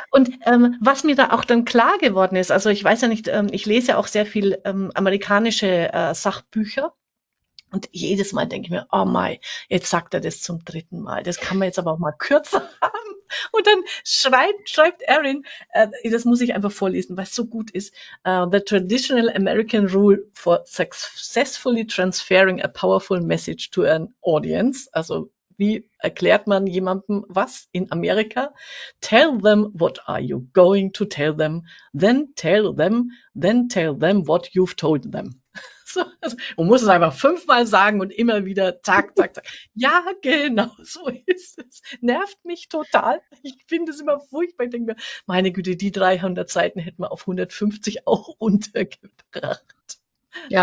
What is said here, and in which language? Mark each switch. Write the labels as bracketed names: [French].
[German] Und was mir da auch dann klar geworden ist, also ich weiß ja nicht, ich lese ja auch sehr viel amerikanische Sachbücher. Und jedes Mal denke ich mir, oh mei, jetzt sagt er das zum dritten Mal. Das kann man jetzt aber auch mal kürzer haben. Und dann schreibt Erin, das muss ich einfach vorlesen, weil es so gut ist. [English] The traditional American rule for successfully transferring a powerful message to an audience. [German] Also wie erklärt man jemandem was in Amerika? [English] Tell them what are you going to tell them, then tell them what you've told them. [German] So, also, man muss es einfach fünfmal sagen und immer wieder zack, zack, zack. Ja, genau, so ist es. Nervt mich total. Ich finde es immer furchtbar. Ich denke mir, meine Güte, die 300 Seiten hätten wir auf 150 auch untergebracht. Ja,